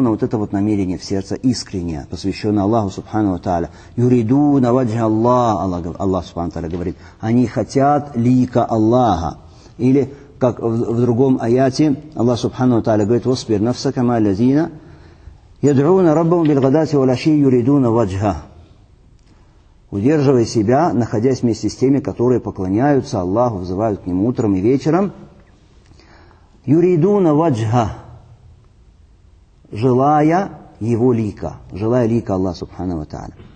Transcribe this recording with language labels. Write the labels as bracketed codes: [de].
[ru] На вот это вот намерение в сердце искреннее, посвященное Аллаху Субхану Ва Тааля. [ar] «Юриду на ваджхи Аллах», [ru] Аллах Субхану Ва Тааля говорит. «Они хотят лика Аллаха». Или как в другом аяте Аллах Субхану Ва Тааля говорит: [ar] «Воспир нафсака ма лязина». يدعون ربهم بالغداة والعشي يريدون وجهه. [ru] Удерживай себя, находясь вместе с теми, которые поклоняются Аллаху, взывают к Нему утром и вечером. [ar] يريدون وجهه. [ru] Желая Его лика, желая лика Аллаха Субхана ва Тааля.